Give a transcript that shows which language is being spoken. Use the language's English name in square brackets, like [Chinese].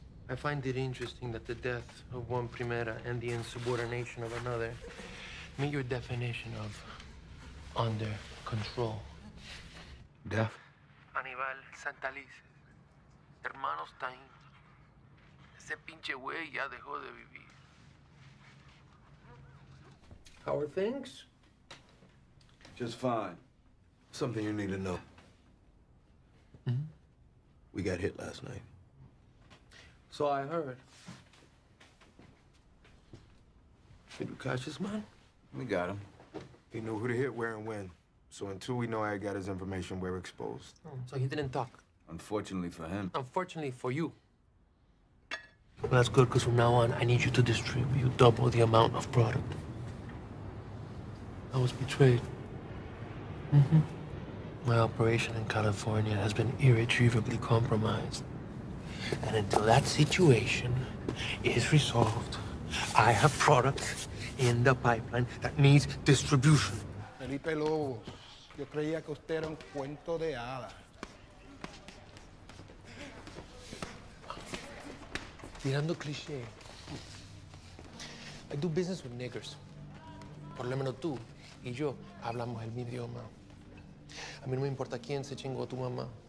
[English] I find it interesting that the death of one primera and the insubordination of another meet your definition of under control. Death? Aníbal Santalis. [Spanish] Hermanos Taín, ese pinche güey ya dejó de vivir. [English] How are things? Just fine. Something you need to know. Mm-hmm. We got hit last night. So I heard. Did you catch this man? We got him. He knew who to hit, where, and when. So until we know I got his information, we're exposed. Oh, so he didn't talk? Unfortunately for him. Unfortunately for you. Well, that's good, because from now on, I need you to distribute double the amount of product. I was betrayed. Mm-hmm. My operation in California has been irretrievably compromised. And until that situation is resolved, I have product in the pipeline that needs distribution. [Spanish] Felipe Lobos, yo creía que usted era un cuento de hadas. Tirando cliché. [English] I do business with niggers. [Spanish] Por lo menos tú y yo hablamos el mismo idioma. A mí no me importa quién se chingó a tu mamá.